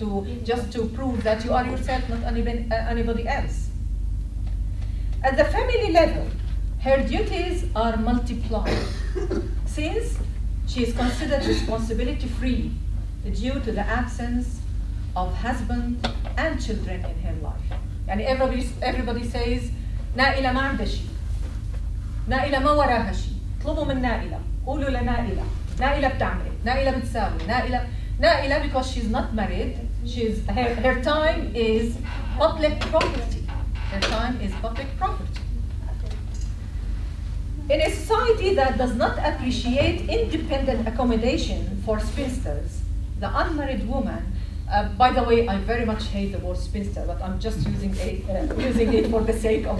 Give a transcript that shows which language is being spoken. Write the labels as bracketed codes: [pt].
[en] to just to prove that you are yourself, not anybody else. At the family level, her duties are multiplied since she is considered responsibility-free due to the absence of husband and children in her life. And everybody says, [ar] نائلة ما عندها شيء. نائلة ما وراها شيء. طلبوا من نائلة، قولوا لنائلة، نائلة بتعمل، نائلة بتساوي، نائلة [en] because she's not married, she's her time is public property. Her time is public property. In a society that does not appreciate independent accommodation for spinsters, the unmarried woman, by the way, I very much hate the word spinster, but I'm just using it for the sake of